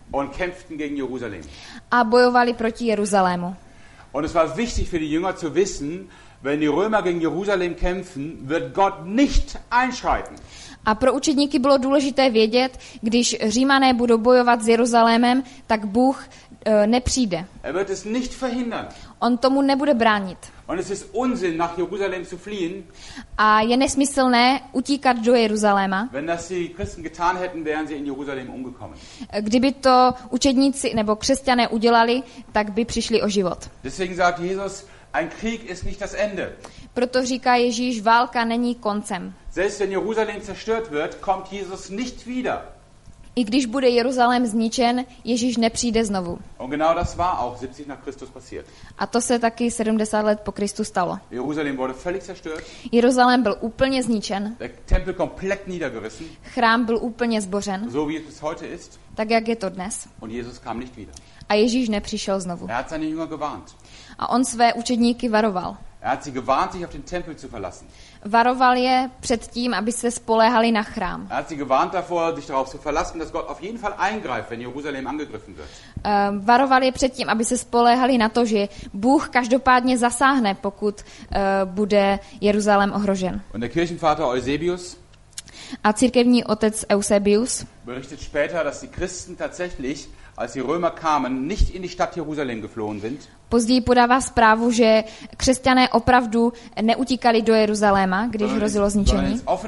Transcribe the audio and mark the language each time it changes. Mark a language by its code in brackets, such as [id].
[de] Und kämpften gegen Jerusalem. [cs] A bojovali proti Jeruzalému. [de] Und es war wichtig für die Jünger zu wissen, wenn die Römer gegen Jerusalem kämpfen, wird Gott nicht einschreiten. [cs] A pro učedníky bylo důležité vědět, když Římané budou bojovat s Jeruzalémem, tak Bůh nepřijde. [de] Er wird es nicht verhindern. [cs] On tomu nebude bránit. [de] Und es ist Unsinn, nach Jerusalem zu fliehen. [cs] A je nesmyslné utíkat do Jeruzaléma. [de] Wenn das die Christen getan hätten, wären sie in Jerusalem umgekommen. [cs] Kdyby to učedníci nebo křesťané udělali, tak by přišli o život. [de] Deswegen sagt Jesus, ein Krieg ist nicht das Ende. [cs] Proto říká Ježíš, válka není koncem. [de] Selbst wenn Jerusalem zerstört wird, kommt Jesus nicht wieder. [cs] I když bude Jeruzalém zničen, Ježíš nepřijde znovu. [de] Und genau das war auch 70 nach Christus passiert. [cs] A to se taky 70 let po Kristu stalo. [de] Jerusalem wurde völlig zerstört. [cs] Jeruzalém byl úplně zničen. [de] Der Tempel komplett niedergerissen. [cs] Chrám byl úplně zbořen. [de] So wie es heute ist. [cs] Tak jak je to dnes. [de] Und Jesus kam nicht wieder. [cs] A Ježíš nepřišel znovu. [de] Er hat seine Jünger gewarnt. [cs] A on své učedníky varoval. [de] Er hat sie gewarnt, sich auf den Tempel zu verlassen. [cs] Varoval je před tím, aby se spoléhali na chrám. [de] Er hat sie gewarnt davor, sich darauf zu verlassen, dass Gott auf jeden Fall eingreift, wenn Jerusalem angegriffen wird. [cs] Varoval je před tím, aby se spoléhali na to, že Bůh každopádně zasáhne, pokud bude Jeruzalém ohrožen. [de] Und der Kirchenvater Eusebius. [cs] A církevní otec Eusebius. [de] Berichtet später, dass die Christen tatsächlich, als die Römer kamen, nicht in die Stadt Jerusalem geflohen sind. [cs] Později podává zprávu, že křesťané opravdu neutíkali do Jeruzaléma, když hrozilo zničení.